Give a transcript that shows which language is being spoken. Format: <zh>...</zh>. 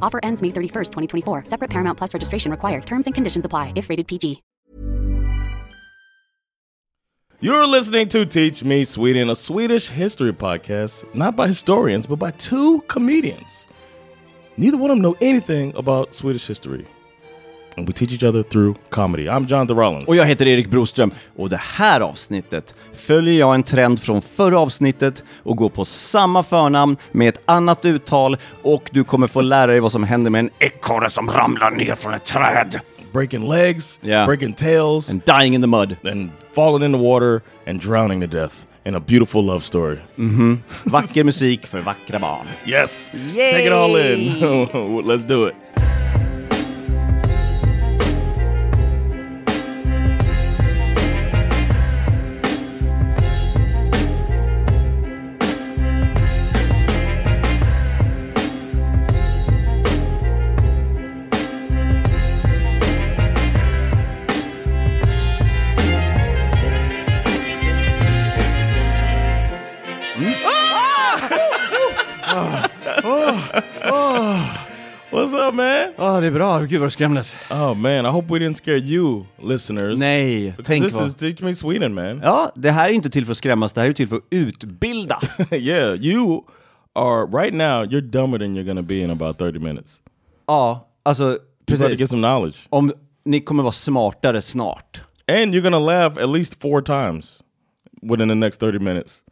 <en>Offer ends May 31st, 2024. Separate Paramount Plus registration required. Terms and conditions apply if rated PG. You're listening to Teach Me Sweden, a Swedish history podcast, not by historians, but by two comedians. Neither one of them know anything about Swedish history. And we teach each other through comedy. I'm Jonathan Rollins.</en> <sv>Och jag heter Erik Broström. Och det här avsnittet följer jag en trend från förra avsnittet och går på samma förnamn med ett annat uttal. Och du kommer få lära dig vad som händer med en ekorre som ramlar ner från ett träd.</sv> <en>Breaking legs, yeah. Breaking tails. And dying in the mud. And falling in the water and drowning to death in a beautiful love story. Mm-hmm.</en> <sv>Vacker musik för vackra barn.</sv> <en>Yes. Yay. Take it all in. Let's do it.</en> <sv>Oh, det är bra. Gud vad skrämdes.</sv> <en>Oh man, I hope we didn't scare you, listeners.</en> <sv>Nej, tänk</sv> <en>this vad. This is Teach Me Sweden, man.</en> <sv>Ja, det här är inte till för att skrämmas, det här är till för att utbilda.</sv> <en>Yeah, you are, right now, you're dumber than you're gonna be in about 30 minutes.</en> <sv>Ja, alltså, precis.</sv> <en>You're about to get some knowledge.</en> <sv>Om ni kommer vara smartare snart.</sv> <en>And you're gonna laugh at least 4 times within the next 30 minutes.</en>